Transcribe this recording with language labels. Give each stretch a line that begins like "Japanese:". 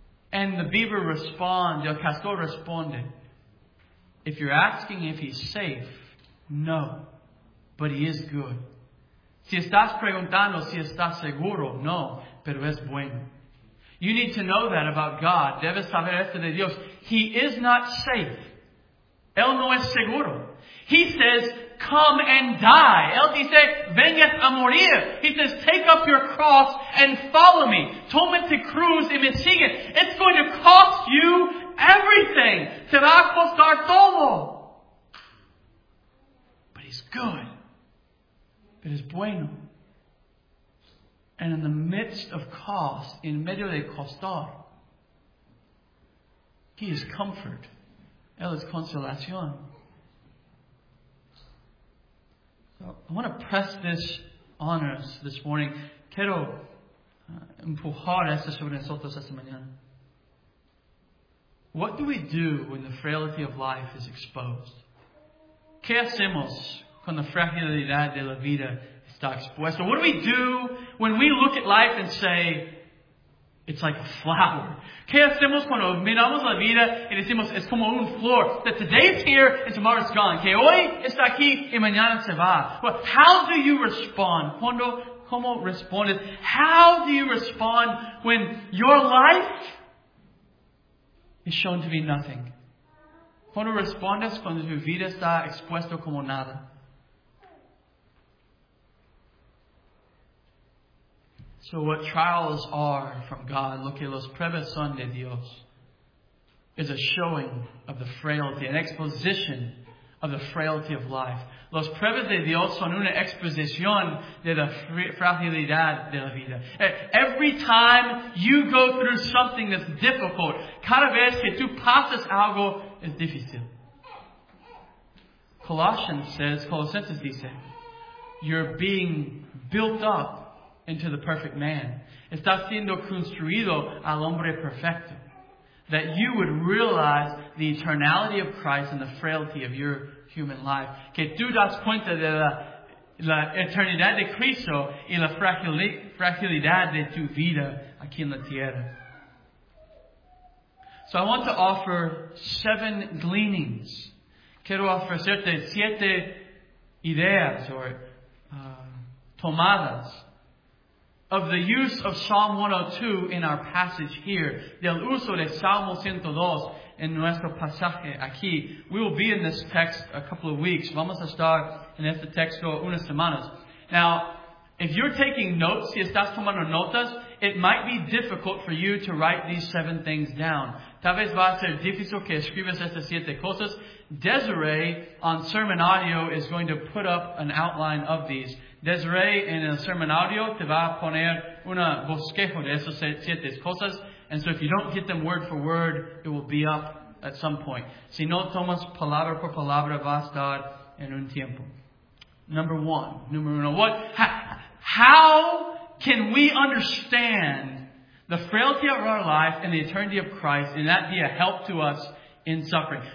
English: And the beaver responds,
Spanish: el castor
English: responded, if you're asking if he's safe, no, but he is good.
Spanish: Si estás preguntando si estás seguro, no, pero es bueno.
English: You need to know that about God.
Spanish: Debes saber esto de Dios.
English: He is not safe.
Spanish: Él no es seguro.
English: He says, come and die.
Spanish: Él dice, vengas a morir.
English: He says, take up your cross and follow me.
Spanish: Toma tu cruz y me sigue.
English: It's going to cost you everything.
Spanish: Se va a costar todo.
English: But he's good.
Spanish: Pero es bueno.
English: And in the midst of cost,
Spanish: en medio de costar,
English: he is comfort.
Spanish: Él es consolación.
English: So, I want to press this on us this morning.
Spanish: Quiero empujar esto sobre nosotros esta mañana.
English: What do we do when the frailty of life is exposed?
Spanish: ¿Qué hacemos con la fragilidad de la vida?
English: So what do we do when we look at life and say, it's like a flower?
Spanish: ¿Qué hacemos cuando miramos la vida y decimos, es como un flor?
English: That today's here and tomorrow's gone.
Spanish: Que hoy está aquí y mañana se va.
English: Well, how do you respond?
Spanish: ¿Cuándo, cómo respondes?
English: How do you respond when your life is shown to be nothing?
Spanish: ¿Cuándo respondes cuando tu vida está expuesto como nada?
English: So what trials are from God,
Spanish: lo que los pruebas son de Dios,
English: is a showing of the frailty, an exposition of the frailty of life.
Spanish: Los pruebas de Dios son una exposición de la fragilidad de la vida.
English: Every time you go through something that's difficult,
Spanish: cada vez que tú pasas algo es difícil. Colosenses dice,
English: you're being built up into the perfect man.
Spanish: Está siendo construido al hombre perfecto.
English: That you would realize the eternality of Christ and the frailty of your human life.
Spanish: Que tú das cuenta de la eternidad de Cristo y la fragilidad de tu vida aquí en la tierra. So I want to offer 7 gleanings. Quiero ofrecerte 7 ideas or tomadas of the use of Psalm 102 in our passage here, del uso de Salmo 102 en nuestro pasaje aquí.
English: We will be in this text a couple of weeks.
Spanish: Vamos a estar en este texto unas semanas.
English: Now, if you're taking notes,
Spanish: si estás tomando notas,
English: it might be difficult for you to write these 7 things down.
Spanish: Tal vez va a ser difícil que escribas estas 7 cosas.
English: Desiree on Sermon Audio is going to put up an outline of these.
Spanish: Desiree en el Sermon Audio te va a poner una bosquejo de esas 7 cosas.
English: And so if you don't get them word for word, it will be up at some point.
Spanish: Si no tomas palabra por palabra, va a estar en un tiempo. Número uno.
English: How can we understand the frailty of our life and the eternity of Christ and that be a help to us in suffering?